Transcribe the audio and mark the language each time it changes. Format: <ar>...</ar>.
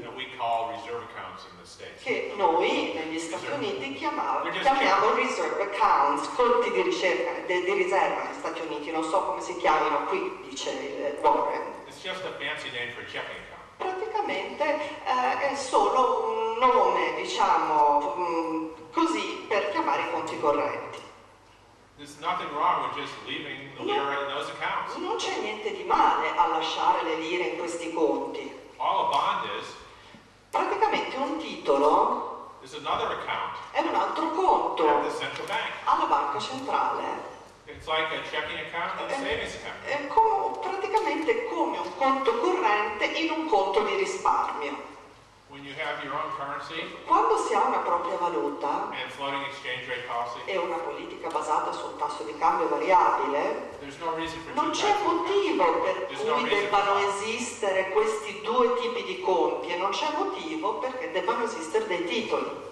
<en>that we call reserve accounts in the States.</en> <it>Che noi negli Stati Uniti chiamiamo reserve accounts, conti di riserva, di riserva negli Stati Uniti, non so come si chiamino qui, dice Warren.</it> <en>It's just a fancy name for checking account.</en> <it>Praticamente è solo un nome, diciamo, così per chiamare i conti correnti.</it> <en>There's nothing wrong with just leaving the lira in those accounts.</en> <it>Non c'è niente di male a lasciare le lire in questi conti.</it> <en>All a bond is,</en> <it>praticamente un titolo</it> <en>is another account,</en> <it>è un altro conto</it> <en>at the central bank,</en> <it>alla banca centrale.</it> <en>It's like a checking account and a savings account.</en> <it>È praticamente come un conto corrente in un conto di risparmio.</it> <en>When you have your own currency,</en> <it>quando si ha una propria valuta</it> <en>and floating exchange rate policy,</en> <it>e una politica basata sul tasso di cambio variabile,</it> <en>there's no reason for</en> <it>non c'è motivo per cui debbano esistere questi due tipi di conti e non c'è motivo perché debbano esistere dei titoli.</it>